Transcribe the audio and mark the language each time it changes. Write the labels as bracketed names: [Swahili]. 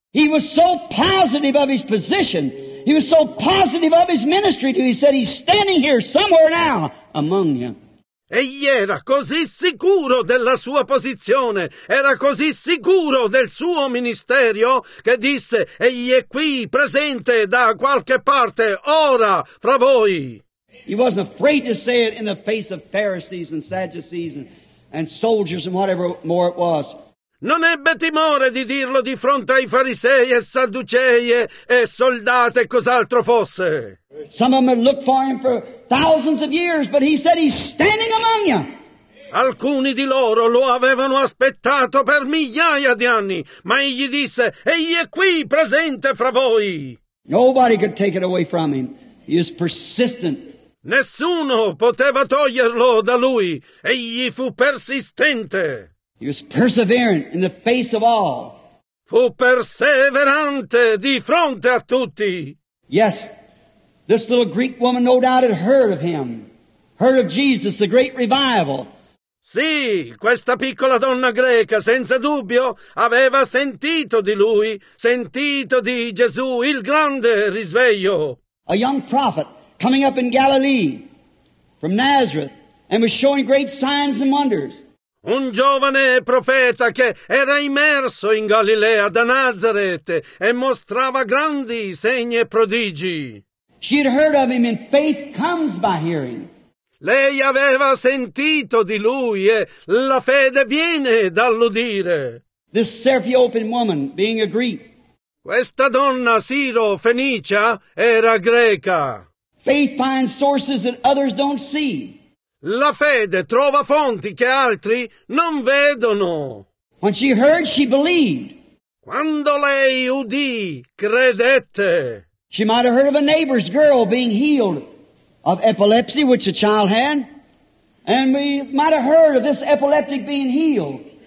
[English] He was so positive of his position, he was so positive of his ministry too, he said he's standing here somewhere now among you. [Italian] Egli era così sicuro della sua posizione, era così sicuro del suo ministerio, che disse: egli è qui, presente da qualche parte, ora, fra voi. [English] He wasn't afraid to say it in the face of Pharisees and Sadducees and soldiers and whatever more it was. [Italian] Non ebbe timore di dirlo di fronte ai farisei e sadducei e soldati e cos'altro fosse. [English] Some of them had looked for him for thousands of years, but he said he's standing among you. [Italian] Alcuni di loro lo avevano aspettato per migliaia di anni, ma egli disse: egli è qui, presente fra voi. [English] Nobody could take it away from him. He is persistent. [Italian] Nessuno poteva toglierlo da lui. Egli fu persistente. [English] He was perseverant in the face of all. [Italian] Fu perseverante di fronte a tutti. [English] Yes, this little Greek woman no doubt had heard of him, heard of Jesus, the great revival. [Italian] Sì, questa piccola donna greca senza dubbio aveva sentito di lui, sentito di Gesù, il grande risveglio. [English] A young prophet coming up in Galilee from Nazareth and was showing great signs and wonders. [Italian] Un giovane profeta che era immerso in Galilea da Nazareth e mostrava grandi segni e prodigi. [English] She had heard of him, and faith comes by hearing. [Italian] Lei aveva sentito di lui e la fede viene dall'udire. [English] This Serapeotan woman, being a Greek. [Italian] Questa donna Siro-Fenicia era greca. [English] Faith finds sources that others don't see. [Italian] La fede trova fonti che altri non vedono. [English] When she heard, she believed. [Italian] Quando lei udì, credette. [English] She might have heard of a neighbor's girl being healed of epilepsy, which a child had. And we might have heard of this epileptic being healed.